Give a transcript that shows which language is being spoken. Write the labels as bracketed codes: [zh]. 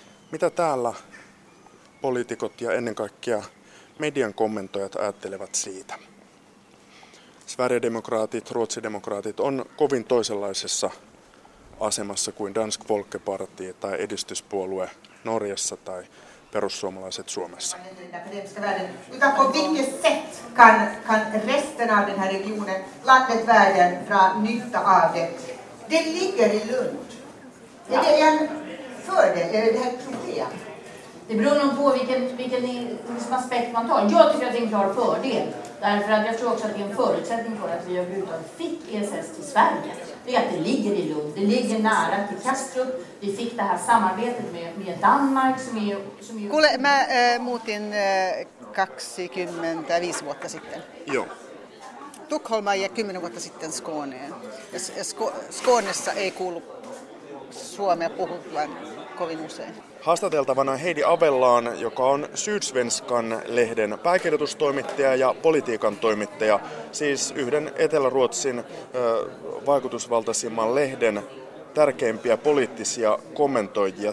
[fi] Mitä täällä poliitikot ja ennen kaikkea median kommentoijat ajattelevat siitä? Sverigedemokraatit, ruotsidemokraatit on kovin toisenlaisessa asemassa kuin Dansk Folkeparti tai edistyspuolue Norjassa tai perussuomalaiset Suomessa. [sv] Utan på vilket sätt kan resten av den här regionen, landet, världen dra nytta av det? Det ligger i Lund. Är det en fördel eller är det ett problem? Det beror nog på vilken aspekt man tar. Jag tycker att det är en klar fördel. Därför att jag tror också att det är en förutsättning för att vi överhuvudtaget fick ESS till Sverige. Det är att det ligger i Lund. Det ligger nära till Kastrup. Vi fick det här samarbetet med Danmark som är... [fi] Kule, mä muutin 25 vuotta sitten. Joo. Tukholma ja 10 vuotta sitten Skåneen. Skånessa ei kuulu suomea puhuttua kovin usein. Haastateltavana Heidi Avellaan, joka on Sydsvenskan lehden pääkirjoitustoimittaja ja politiikan toimittaja, siis yhden Etelä-Ruotsin vaikutusvaltaisimman lehden tärkeimpiä poliittisia kommentoijia.